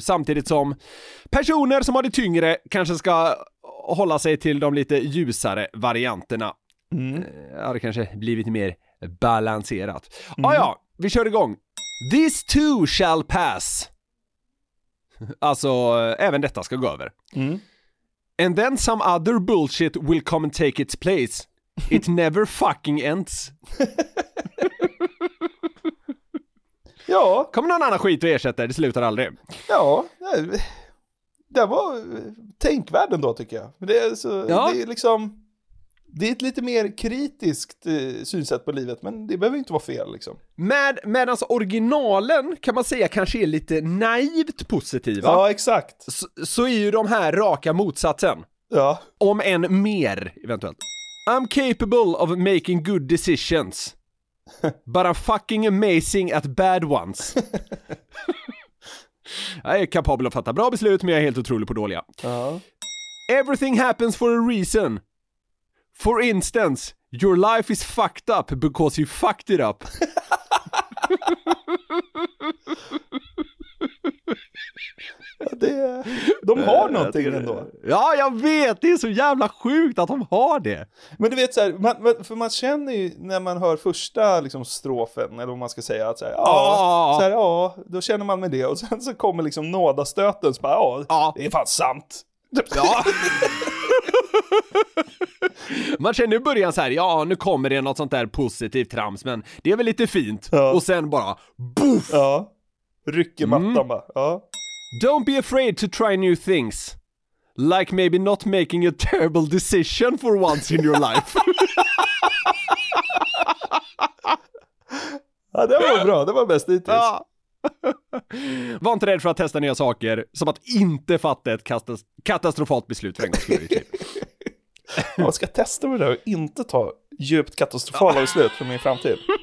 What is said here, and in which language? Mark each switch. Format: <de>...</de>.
<sv>Samtidigt som personer som har det tyngre kanske ska hålla sig till de lite ljusare varianterna. Mm. Det kanske blivit mer balanserat. Mm. Ah, ja, vi kör igång.</sv> <en>This too shall pass.</en> <sv>Alltså, även detta ska gå över. Mm.</sv> <en>And then some other bullshit will come and take its place. It never fucking ends.</en> <sv>Ja. Kommer någon annan skit att ersätta? Det slutar aldrig. Ja. Det var tänkvärden då, tycker jag. Det är, så, ja. Det är liksom... Det är ett lite mer kritiskt synsätt på livet, men det behöver inte vara fel liksom. Medan alltså originalen kan man säga kanske är lite naivt positiva. Ja, exakt. Så är ju de här raka motsatsen. Ja. Om än mer eventuellt.</sv> <en>I'm capable of making good decisions, but I'm fucking amazing at bad ones.</en> <sv>Jag är kapabel att fatta bra beslut, men jag är helt otrolig på dåliga. Ja.</sv> <en>Everything happens for a reason. For instance, your life is fucked up because you fucked it up.</en> <sv>Ja, det är, de har någonting ändå. Ja, jag vet. Det är så jävla sjukt att de har det. Men du vet så här, för man känner ju när man hör första liksom strofen, eller vad man ska säga, att så här, så här, då känner man med det. Och sen så kommer liksom nådastöten, så bara, det är fan sant. Ja. Man känner i början så här, ja, nu kommer det något sånt där positivt trams, men det är väl lite fint. Ja. Och sen bara, boof! Ja, rycker mattan bara, ja.</sv> <en>Don't be afraid to try new things. Like maybe not making a terrible decision for once in your life.</en> <sv>Ja, det var bra, det var bäst hittills. Ja. Var inte rädd för att testa nya saker, som att inte fatta ett katastrofalt beslut för en gång. Jag ska testa med det och inte ta djupt katastrofala beslut för min framtid.</sv>